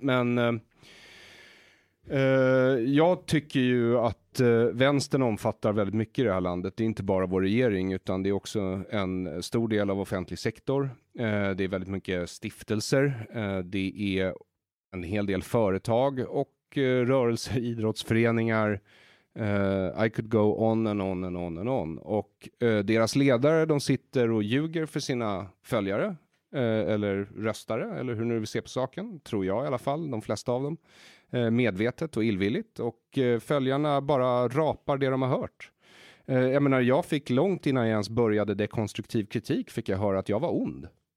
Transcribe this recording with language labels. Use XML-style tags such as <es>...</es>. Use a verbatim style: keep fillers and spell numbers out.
<sv>men eh, Uh, jag tycker ju att uh, vänstern omfattar väldigt mycket i det här landet. Det är inte bara vår regering utan det är också en stor del av offentlig sektor. Uh, det är väldigt mycket stiftelser. Uh, det är en hel del företag och uh, rörelser, idrottsföreningar.</sv> <en>Uh, I could go on and on and on and on.</en> <sv>Och uh, deras ledare, de sitter och ljuger för sina följare. Eller röstare, eller hur nu vi ser på saken, tror jag i alla fall, de flesta av dem, medvetet och illvilligt. Och följarna bara rapar det de har hört. Jag menar, jag fick långt innan jag ens började dekonstruktiv kritik, fick jag höra att jag var ond.</sv>